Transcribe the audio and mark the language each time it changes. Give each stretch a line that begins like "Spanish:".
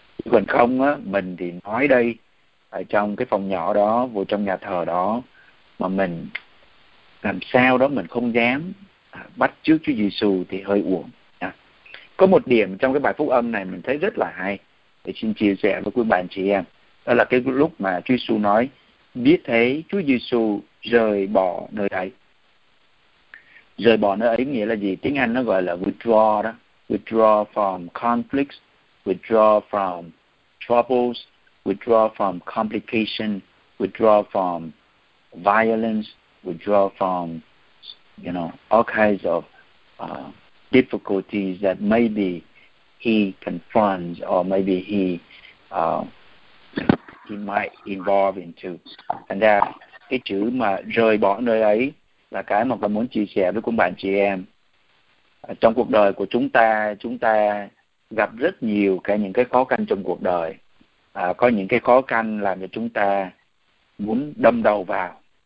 Vietnamese: Còn không á, mình thì nói đây ở trong cái phòng nhỏ đó, vô trong nhà thờ đó, mà mình làm sao đó mình không dám bắt chước Chúa Giêsu thì hơi uổng. Có một điểm trong cái bài phúc âm này mình thấy rất là hay, để xin chia sẻ với quý bạn chị em. Đó là cái lúc mà Chúa Giêsu nói, biết thế Chúa Giêsu rời bỏ nơi ấy. Rời bỏ nơi ấy nghĩa là gì? Tiếng Anh nó gọi là withdraw đó.
English: Withdraw from conflicts, withdraw from troubles, withdraw from complication, withdraw from violence, withdraw from, you know, all kinds of difficulties that maybe he confronts or maybe he might involve into. And that
Vietnamese: cái chữ mà rời bỏ nơi ấy là cái mà tôi muốn chia sẻ với các bạn chị em. Trong cuộc đời của chúng ta gặp rất nhiều cái những cái khó khăn trong cuộc đời. Có những cái khó khăn làm cho chúng ta muốn đâm đầu vào.